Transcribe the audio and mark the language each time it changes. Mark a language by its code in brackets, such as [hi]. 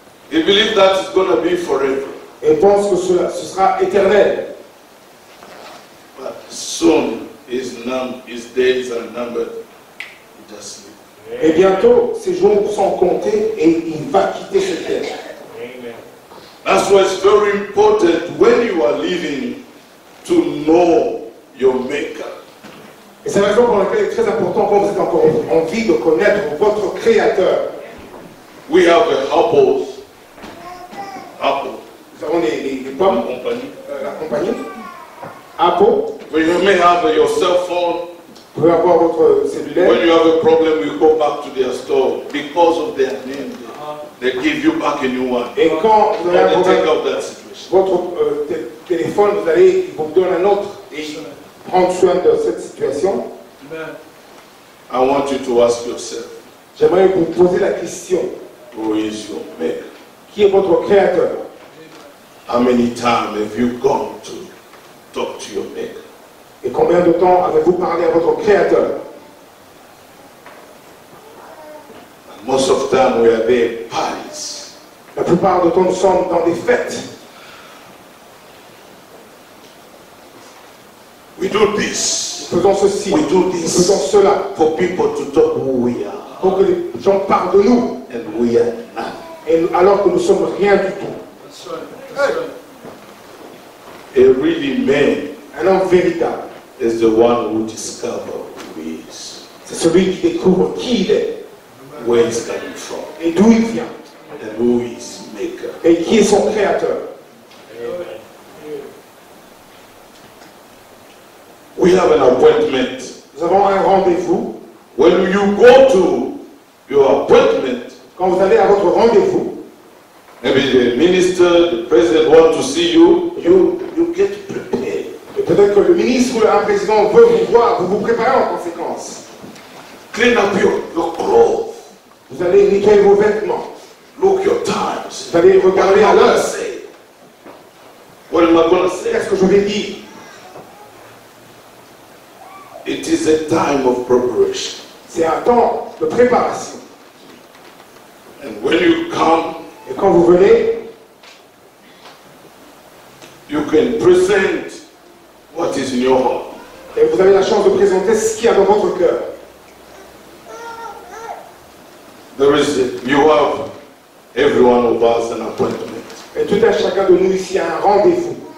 [en] He believes that it's going to be forever. [fr] Et pense que ce sera éternel. [en] But soon his days are numbered. He just sleeps. [fr] Et bientôt, ses jours sont comptés et il va quitter cette terre. [en] Amen. That's why it's very important when you are living to know your maker. [fr] Et c'est la raison pour laquelle il est très important quand vous êtes encore en vie de connaître votre créateur. [en] We have a apples. Apple. [fr] Nous avons les pommes. La compagnie. [en] Apple. But you may have your cell phone. [fr] Vous pouvez avoir votre cellulaire. [en] When you have a problem, you go back to their store because of their name. They give you back a new one. [fr] Et quand vous avez un problème, [en] of that situation. [fr] Votre téléphone, vous allez, il vous donne un autre et prendre soin de cette situation. [en] I want you to ask yourself. [fr] J'aimerais vous poser la question. [en] Who is your maker? [fr] Qui est votre créateur? [en] How many times have you gone to talk to your maker? [fr] Et combien de temps avez-vous parlé à votre créateur? [en] Most of time we are there parties. [fr] La plupart du temps nous sommes dans des fêtes. [en] We do this. [fr] Nous faisons ceci. [en] We do this. [fr] Nous faisons cela. [en] For people to talk who we are. [fr] Pour que les gens parlent de nous. [en] And we are nothing. [fr] Et alors que nous sommes rien du tout. [en] That's right. That's right. A really man. [fr] Un homme véritable. [en] Is the one who discovers who he is. [fr] C'est celui qui découvre qui il est. [en] Where he's coming from. [fr] Et d'où il vient. [en] And who is maker. [fr] Et qui est son créateur. [en] Amen. We have an appointment. [fr] Nous avons un rendez-vous. [en] When you go to your appointment. [fr] Quand vous allez à votre rendez-vous. [en] Maybe the minister, the president want to see you. You get prepared. [fr] Peut-être que le ministre ou le président veut vous voir, vous vous préparez en conséquence. [en] Clean up your clothes. [fr] Vous allez nettoyer vos vêtements. [en] Look your times. [fr] Vous allez regarder à l'heure. [en] Say? What am I going to say? [fr] Qu'est-ce que je vais dire? [en] It is a time of preparation. [fr] C'est un temps de préparation. [en] And when you come, [fr] et quand vous venez, [en] you can present. What is in your heart? [fr] Et vous avez la chance de présenter ce qu'il y a dans votre cœur. [en] There is you have everyone of us an appointment. [fr] Et tout un chacun de nous ici a un rendez-vous.